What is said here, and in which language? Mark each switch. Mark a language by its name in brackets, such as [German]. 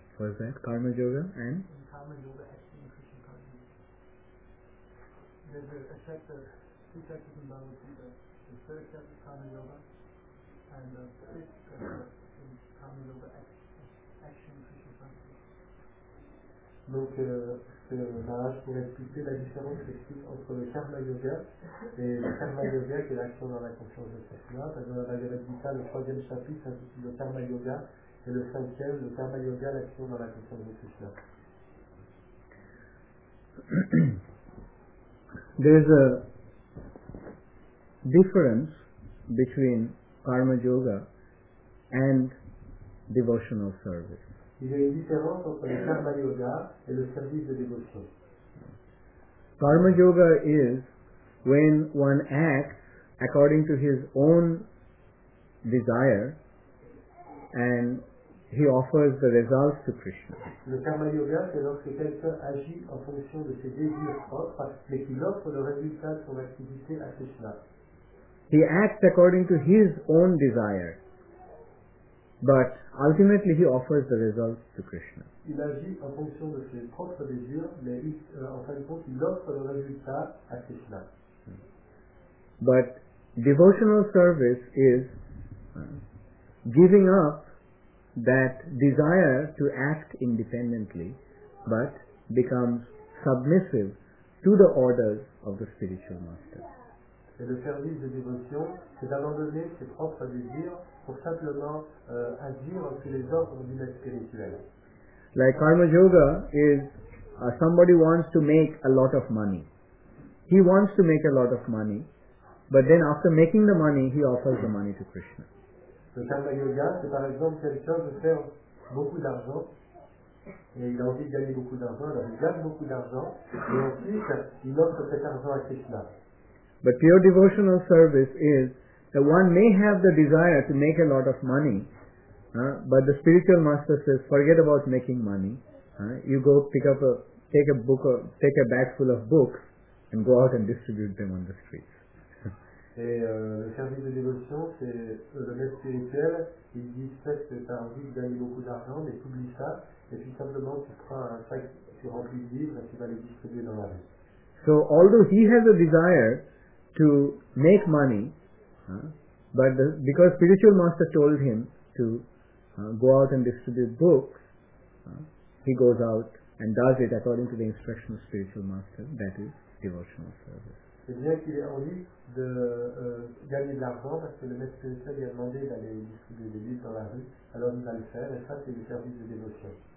[English] What is that? Karma Yoga and? In Karma Yoga acting in Krishna consciousness. There's a chapter, two chapters in Bhagavad Gita. The third chapter is Karma Yoga, and the fifth chapter is Karma Yoga action in Krishna consciousness. [French] Donc, Maharaj pourrait expliquer la différence entre le karma yoga et le karma yoga qui est l'action dans la conscience de Krishna. Dans la Bhagavad Gita, le troisième chapitre s'intitule le karma yoga et le cinquième, le karma yoga, l'action dans la conscience de Krishna. [English] There is a difference between karma yoga and devotional service. [French] Il y a une différence entre le karma yoga et le service de dévotion. [English] Karma yoga is when one acts according to his own desire and he offers the results to Krishna. [French] Le karma yoga, c'est lorsque quelqu'un agit en fonction de ses désirs propres, mais qu'il offre le résultat de son activité à Krishna. [English] He acts according to his own desire. But ultimately he offers the results to Krishna. [French] Il agit en fonction de ses propres désirs, mais en fin de compte, il offre le résultat à Krishna. [English] But devotional service is giving up that desire to act independently, but becomes submissive to the orders of the spiritual master. [French] Et le service de dévotion, c'est d'abandonner ses propres désirs pour simplement agir sur les ordres du maître spirituel. [English] Like karma yoga is somebody wants to make a lot of money. He wants to make a lot of money, but then after making the money, he offers the money to Krishna. [French] Le karma yoga, c'est par exemple quelqu'un veut faire beaucoup d'argent et il a envie de gagner beaucoup d'argent, alors il gagne beaucoup d'argent et ensuite il offre cet argent à Krishna. [English] But pure devotional service is that one may have the desire to make a lot of money, but the spiritual master says, forget about making money. You go pick up take a bag full of books and go out and distribute them on the streets. [French] Et le service de dévotion, c'est le maître spirituel, il dit, fait que tu as envie de gagner beaucoup d'argent, mais tu oublies ça, et puis simplement tu prends un sac, tu remplis de livres et tu vas les distribuer dans la rue. [English] So although he has a desire to make money, because spiritual master told him to go out and distribute books, he goes out and does it according to the instruction of spiritual master, that is devotional service. [French] C'est bien qu'il ait envie de gagner de l'argent parce que le maître spirituel lui a demandé d'aller distribuer des livres dans la rue, alors il va le faire, et ça c'est le service de dévotion.